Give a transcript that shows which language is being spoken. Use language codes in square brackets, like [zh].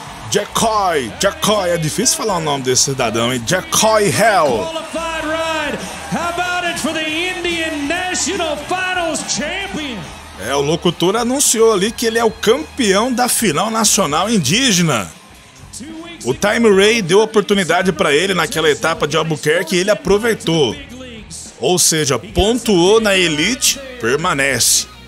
[pt] Jackoy, é difícil falar o nome desse cidadão, hein? [en] Jackoy Hell. Qualified ride. How about it for the Indian National Finals Champion? [pt] É, o locutor anunciou ali que ele é o campeão da final nacional indígena. O Time Ray deu oportunidade para ele naquela etapa de Albuquerque e ele aproveitou. Ou seja, pontuou na elite, permanece.